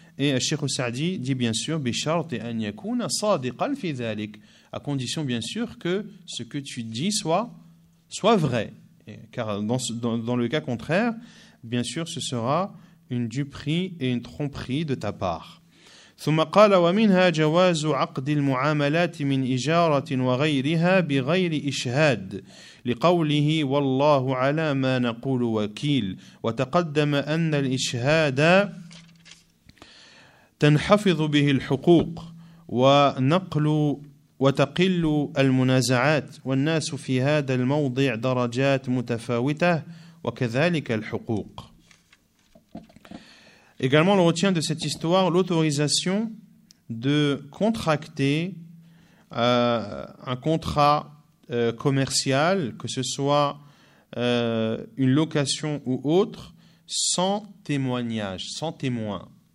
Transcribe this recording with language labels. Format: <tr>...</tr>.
<fr>Et Cheikh Saadi dit bien sûr,</fr> <ar>بِشَرْتِ أَنْ يَكُونَ صَادِقًا فِي ذَلِكَ,</ar> <fr>à condition bien sûr que ce que tu dis soit vrai. Et, car dans le cas contraire, bien sûr ce sera une duperie et une tromperie de ta part.</fr> <ar>ثُمَّ قَالَ وَمِنْهَا جَوَازُ عَقْدِ الْمُعَامَلَاتِ مِنْ إِجَارَةٍ وَغَيْرِهَا بِغَيْرِ إِشْهَادٍ لقوله والله على ما نقول وكيل وتقدم أن الإشهاد تنحفظ به الحقوق ونقل وتقل المنازعات والناس في هذا الموضع درجات متفاوتة وكذلك الحقوق.</ar> <fr>Également, on retient de cette histoire l'autorisation de contracter un contrat commercial, que ce soit une location ou autre, sans témoignage, sans témoin.</fr>